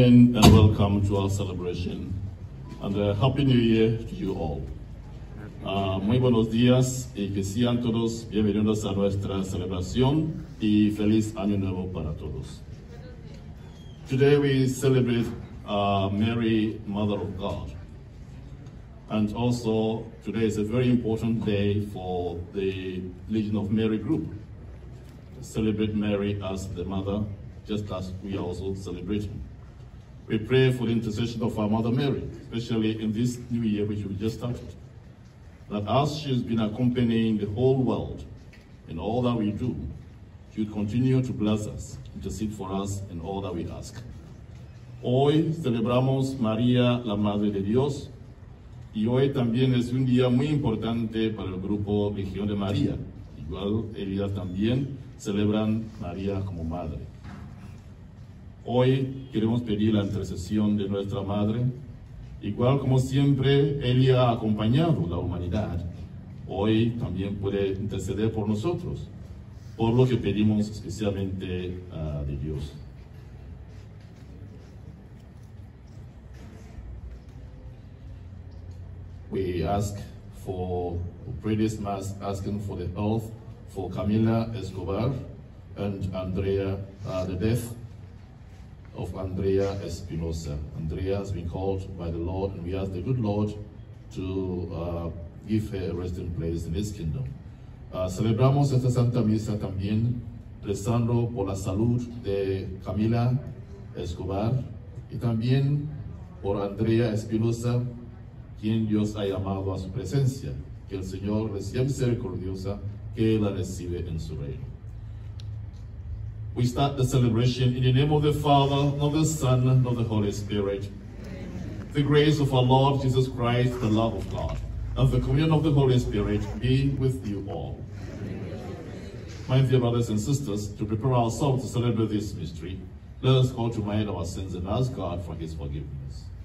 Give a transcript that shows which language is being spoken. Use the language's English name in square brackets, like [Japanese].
[English] Celebration and a happy new year to you all. [Spanish] Muy buenos días y que sean todos bienvenidos a nuestra celebración y feliz año nuevo para todos. [English] Today we celebrate Mary, Mother of God, and also today is a very important day for the Legion of Mary group. Celebrate Mary as the mother, just as we are also celebrating. We pray for the intercession of our Mother Mary, especially in this new year which we just started, that as she has been accompanying the whole world in all that we do, she would continue to bless us, intercede for us in all that we ask. [Spanish] Hoy celebramos María, la Madre de Dios, y hoy también es un día muy importante para el grupo Legión de María. Igual, ellas también celebran María como Madre. Hoy queremos pedir la intercesión de nuestra Madre. Igual como siempre, ella ha acompañado la humanidad. Hoy también puede interceder por nosotros, por lo que pedimos especialmente de Dios. [English] We ask for, we pray this mass asking for the health for Camila Escobar and Andrea, the death of Andrea Espinosa. Andrea has been called by the Lord, and we ask the good Lord to give her a resting place in his kingdom. [Spanish] Celebramos esta Santa Misa también rezando por la salud de Camila Escobar y también por Andrea Espinosa, quien Dios ha llamado a su presencia. Que el Señor reciba misericordiosa, que la recibe en su reino. [English] We start the celebration in the name of the Father, and of the Son, and of the Holy Spirit. Amen. The grace of our Lord Jesus Christ, the love of God, and the communion of the Holy Spirit be with you all. Amen. My dear brothers and sisters, to prepare ourselves to celebrate this mystery, let us call to mind our sins and ask God for his forgiveness.